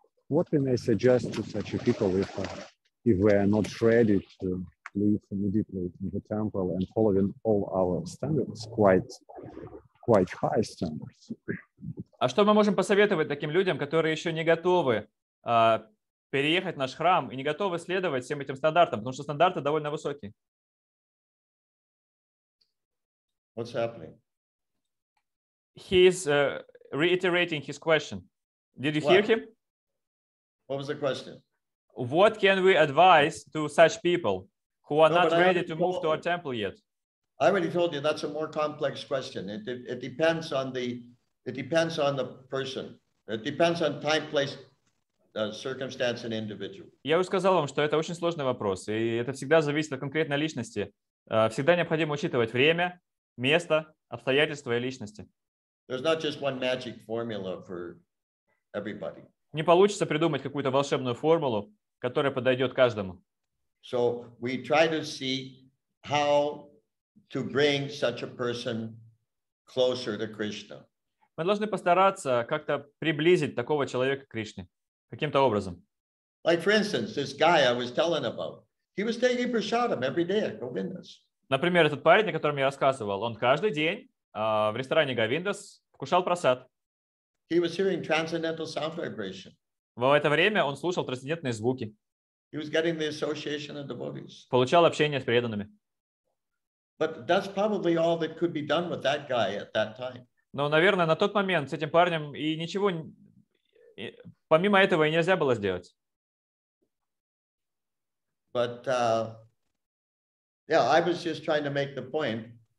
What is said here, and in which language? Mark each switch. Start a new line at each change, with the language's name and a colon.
English: What can I suggest to such a people if we are not ready to live immediately in the temple and following all our standards, quite high standards?
Russian: А что мы можем посоветовать таким людям, которые еще не готовы переехать в наш храм и не готовы следовать всем этим стандартам, потому что стандарты довольно высокие?
English: What's happening? He's reiterating his question. Did you hear him? What was the question? What can we advise to such people who are not ready to move to our temple yet? I already told you that's a more complex question. It depends on the person. It depends on time, place, circumstance, and individual.
Russian: Я уже сказал вам, что это очень сложный вопрос, и это всегда зависит от конкретной личности. Всегда необходимо учитывать время, место, обстоятельства и личности.
English: There's not just one magic formula for everybody.
Russian: Не получится придумать какую-то волшебную формулу, которая подойдет каждому.
English: So we try to see how to bring such a person closer to Krishna.
Russian: Мы должны постараться как-то приблизить такого человека к Кришне каким-то образом.
English: Like for instance, this guy I was telling about, he was taking prasadam every day at Govindas.
Russian: Например, этот парень, о котором я рассказывал, он каждый день в ресторане Govindas вкушал прасад.
English: He was hearing transcendental sound vibration.
Russian: Во это время он слушал трансцендентные звуки.
English: He was getting the association of devotees.
Russian: Получал общение с преданными.
English: But that's probably all that could be done with that guy at that time.
Russian: Но, наверное, на тот момент с этим парнем и ничего помимо этого и нельзя было сделать.
English: But I was just trying to make the point.